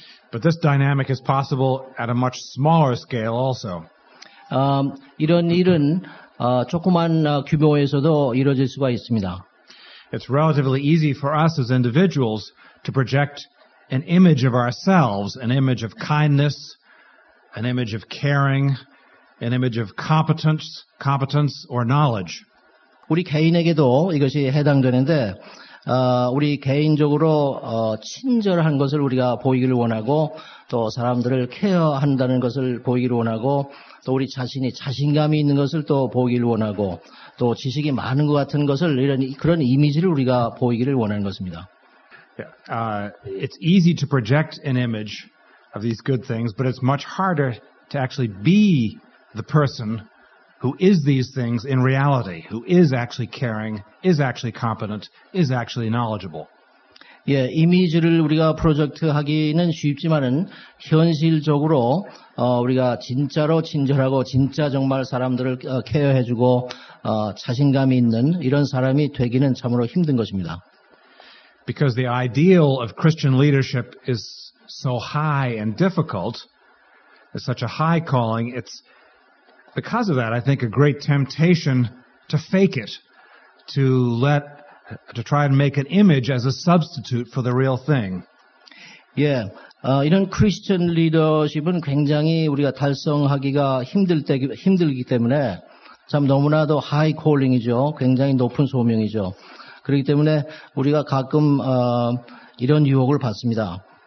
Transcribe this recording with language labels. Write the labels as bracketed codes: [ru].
[en] But this dynamic is possible at a much smaller scale also. [ko] 이런 일은 조그만 규모에서도 이루어질 수가 있습니다. [en] It's relatively easy for us as individuals to project an image of ourselves, an image of kindness, an image of caring, an image of competence or knowledge. [ko] 우리 개인에게도 이것이 해당되는데 우리 개인적으로 친절한 것을 우리가 보이기를 원하고 또 사람들을 케어한다는 것을 보이기를 원하고 또 우리 자신이 자신감이 있는 것을 또 보이기를 원하고 또 지식이 많은 것 같은 것을 이런 그런 이미지를 우리가 보이기를 원하는 것입니다. [en] It's easy to project an image of these good things, but it's much harder to actually be the person who is these things in reality, who is actually caring, is actually competent, is actually knowledgeable. [ko] 예, 이미지를 우리가 프로젝트하기는 쉽지만은 현실적으로 우리가 진짜로 친절하고 진짜 정말 사람들을 케어해주고 자신감이 있는 이런 사람이 되기는 참으로 힘든 것입니다. [en] Because the ideal of Christian leadership is so high and difficult, it's such a high calling, it's because of that, I think a great temptation to fake it, to try and make an image as a substitute for the real thing. Yeah. [ko] 이런 Christian leadership은 굉장히 우리가 달성하기가 힘들기 때문에 참 너무나도 [en] high calling [ko] 이죠. 굉장히 높은 소명이죠. 그렇기 때문에 우리가 가끔 이런 유혹을 받습니다.